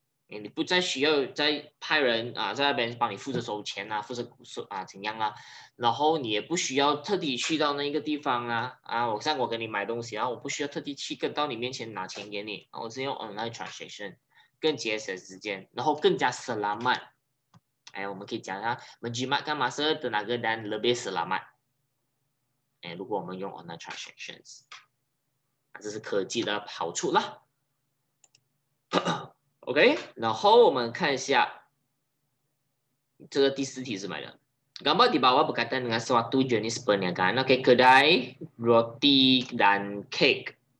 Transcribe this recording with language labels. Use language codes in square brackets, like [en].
[zh] 你不再需要再派人啊，在那边帮你负责收钱啊，负责收啊怎样啊，然后你也不需要特地去到那个地方啊啊，我像我给你买东西，然后我不需要特地去跟到你面前拿钱给你，我是用 [en] online transaction， [zh] 更节省时间，然后更加 [ms] selamat。哎， [zh] 我们可以讲一下 [ms] menjimat kan masa tenaga dan lebih selamat。 [zh] 哎，如果我们用 [en] online transactions， [zh] 这是科技的好处啦。 OK， 然后我们看一下这个第四题是什么的。 [ms] Gambar di bawah berkaitan dengan suatu jenis perniagaan. OK， kedai roti dan cake.